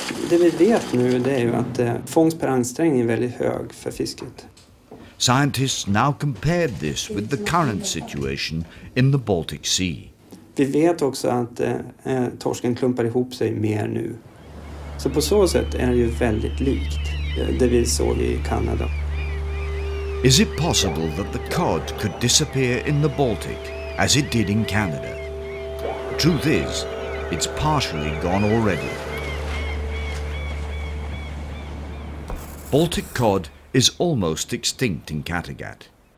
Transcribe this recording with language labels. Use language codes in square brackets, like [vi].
[sv] Det vi vet nu det är ju att fångst per ansträngning är väldigt hög för fisket. [en] Scientists now compared this with the current situation in the Baltic Sea. [sv] Vi vet också att torsken klumpar ihop sig mer nu. Så på så sätt är det ju väldigt likt det vi såg i Kanada. [en] Is it possible that the cod could disappear in the Baltic as it did in Canada? Truth is, it's partially gone already. Baltic cod is almost extinct in Kattegat.